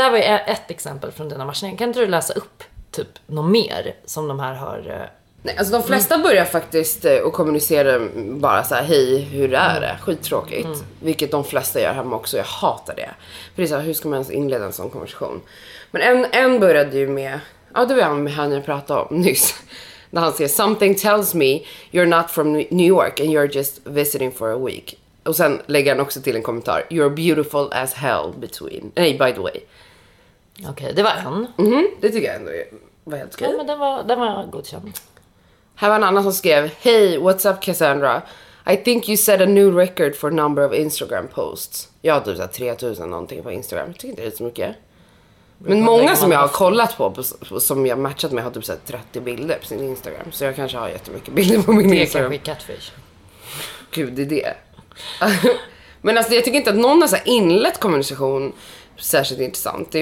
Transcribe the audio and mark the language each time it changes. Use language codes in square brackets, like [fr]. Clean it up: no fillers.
[sv] Det här var ju ett exempel från dina matchningar. Kan inte du läsa upp typ något mer som de här har... Nej, alltså de flesta börjar faktiskt och kommunicera bara så här, hej, hur är det? Skittråkigt. Vilket de flesta gör hemma också, jag hatar det. För det är så här, hur ska man ens inleda en sån konversation? Men en började ju med, ja, det var han med henne jag pratade om nyss. När han säger, [en] something tells me you're not from New York and you're just visiting for a week. [sv] Och sen lägger han också till en kommentar: [en] you're beautiful as hell between. [sv] Nej, [en] by the way. [sv] Okej, det var en. Mm-hmm, det tycker jag ändå var helt kul. Ja, men den var godkänd. Här var en annan som skrev: [en] hey, what's up Cassandra? I think you set a new record for number of Instagram posts. [sv] Jag har typ såhär 3000 någonting på Instagram. Jag tycker inte det är så mycket. Men många som jag har kollat på, som jag matchat med, har typ såhär 30 bilder på sin Instagram. Så jag kanske har jättemycket bilder på min Instagram. Det är kanske catfish. Gud, det är det. Men alltså jag tycker inte att någon har såhär inlett kommunikation särskilt intressant.